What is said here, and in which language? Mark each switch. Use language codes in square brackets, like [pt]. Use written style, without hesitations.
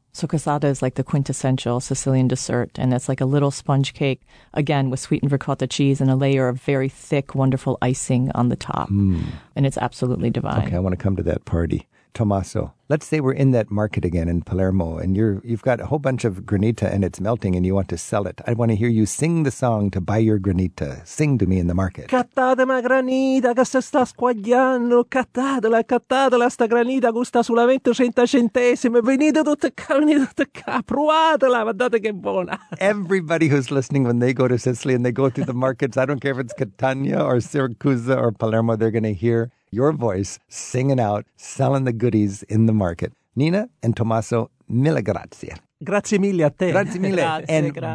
[en] So cassata is like the quintessential Sicilian dessert, and it's like a little sponge cake, again, with sweetened ricotta cheese and a layer of very thick, wonderful icing on the top. Mm. And it's absolutely divine. Okay, I want to come to that party. Tommaso, let's say we're in that market again in Palermo, and you've got a whole bunch of granita, and it's melting, and you want to sell it. I want to hear you sing the song to buy your granita. Sing to me in the market. [it] Catatela granita che se sta squagliando, catatela, catatela sta granita gusta solamente 30 centesimi. Venite tutte qua, venite tutte qua, provatela, guardate che buona. [en] Everybody who's listening, when they go to Sicily and they go through the markets, I don't care if it's Catania or Siracusa or Palermo, they're going to hear your voice singing out, selling the goodies in the market. Nina and Tommaso, [it] mille grazie. Grazie mille a te. Grazie mille. Grazie.